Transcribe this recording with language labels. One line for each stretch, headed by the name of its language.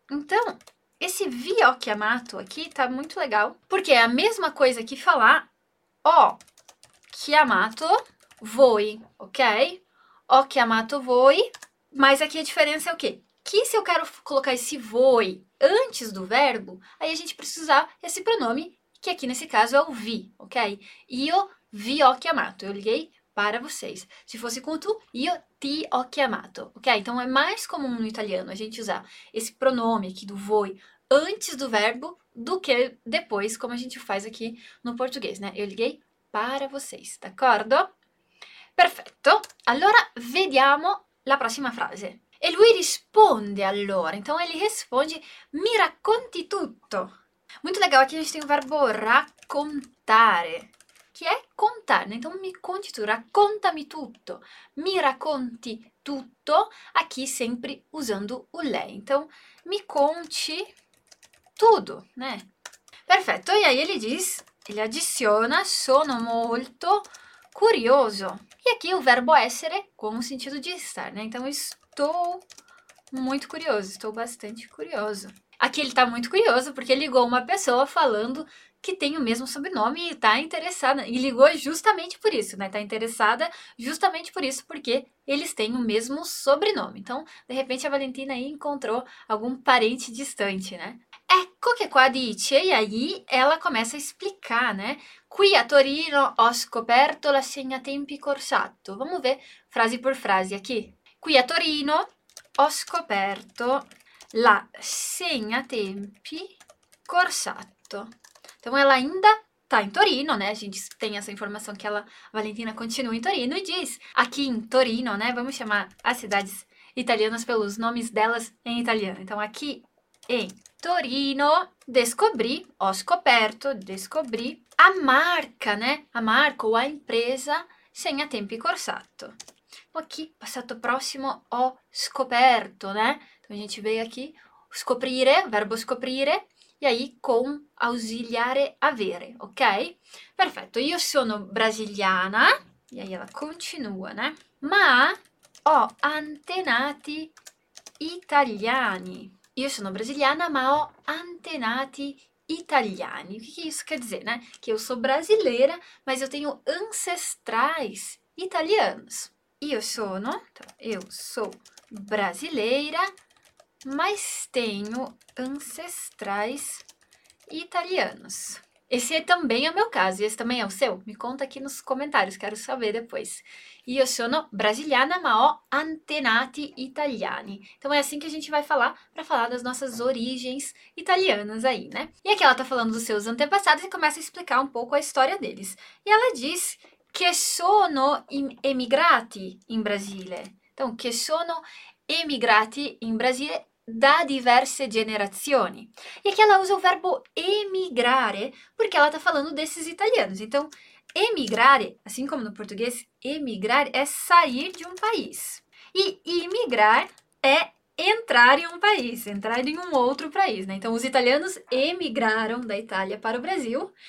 Portuguese: Então, esse
Italian: vi ho chiamato
Portuguese: aqui tá muito legal, porque é a mesma coisa que falar
Italian: ho chiamato voi,
Portuguese: ok?
Italian: Ho chiamato voi,
Portuguese: mas aqui a diferença é o quê? Que se eu quero colocar esse voi antes do verbo, aí a gente precisa usar esse pronome, que aqui nesse caso é o vi, ok?
Italian: Io vi ho chiamato,
Portuguese: eu liguei para vocês. Se fosse com tu,
Italian: io ti ho chiamato,
Portuguese: ok? Então é mais comum no italiano a gente usar esse pronome aqui do voi antes do verbo do que depois, como a gente faz aqui no português, né? Eu liguei para vocês, d'accordo?
Italian: Perfetto. Allora, vediamo la prossima frase. E lui risponde allora.
Portuguese: Então ele responde:
Italian: mi racconti tutto.
Portuguese: Muito legal, aqui a gente tem o verbo raccontare, che è contare. Então mi conti tu,
Italian: raccontami tutto. Mi racconti tutto,
Portuguese: aqui sempre usando o lei. Então mi conti tudo, né? Perfetto. E aí ele diz, ele adiciona:
Italian: sono molto curioso.
Portuguese: E aqui o verbo essere com o sentido de estar, né? Então estou muito curioso, estou bastante curioso. Aqui ele está muito curioso porque ligou uma pessoa falando que tem o mesmo sobrenome e está interessada. E ligou justamente por isso, né? Está interessada justamente por isso, porque eles têm o mesmo sobrenome. Então, de repente, a Valentina aí encontrou algum parente distante, né?
Italian: Ecco che qua dice,
Portuguese: e aí ela começa a explicar, né?
Italian: Qui a Torino ho scoperto l'assegnatempi corsatto.
Portuguese: Vamos ver frase por frase aqui.
Italian: Qui a Torino ho scoperto l'assegnatempi corsatto.
Portuguese: Então ela ainda tá em Torino, né? A gente tem essa informação que ela, Valentina, continua em Torino e diz aqui em Torino, né? Vamos chamar as cidades italianas pelos nomes delas em italiano. Então aqui em Torino, descobri,
Italian: ho scoperto,
Portuguese: descobri a marca, né? A marca ou a empresa Segnatempi Corsatto. Aqui, passato prossimo, ho scoperto, né? Então a gente veio aqui, scoprire, verbo scoprire, e aí com ausiliare avere, ok? Perfetto,
Italian: io sono brasiliana,
Portuguese: e aí ela continua, né?
Italian: Ma ho antenati italiani. Io sono brasiliana, ma ho antenati italiani.
Portuguese: O que isso quer dizer, né? Que eu sou brasileira, mas eu tenho ancestrais italianos. Io sono, então, eu sou brasileira, mas tenho ancestrais italianos. Esse é também é o meu caso, esse também é o seu? Me conta aqui nos comentários, quero saber depois.
Italian: Io sono brasiliana, ma ho antenati italiani.
Portuguese: Então é assim que a gente vai falar para falar das nossas origens italianas aí, né? E aqui ela tá falando dos seus antepassados e começa a explicar um pouco a história deles. E ela diz que
Italian: sono emigrati in Brasile.
Portuguese: Então, que
Italian: sono emigrati in Brasile da diverse generazioni.
Portuguese: E aqui ela usa o verbo emigrare porque ela está falando desses italianos. Então, emigrare, assim como no português, emigrare é sair de um país. E imigrar é entrar em um país, entrar em um outro país, né? Então, os italianos emigraram da Itália para o Brasil.